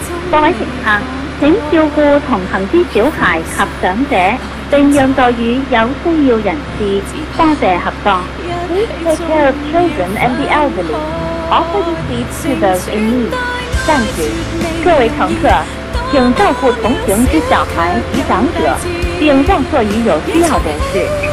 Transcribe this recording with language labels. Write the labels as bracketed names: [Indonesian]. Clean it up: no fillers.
[Chinese] 各位乘客，请照顾同行之小孩及长者，并让座椅有需要人士。多谢合作。 [English] Please take care of children and the elderly. Offer your seat to those in need. Thank you. [Chinese] 各位乘客，请照顾同行之小孩及长者，并让座椅有需要人士。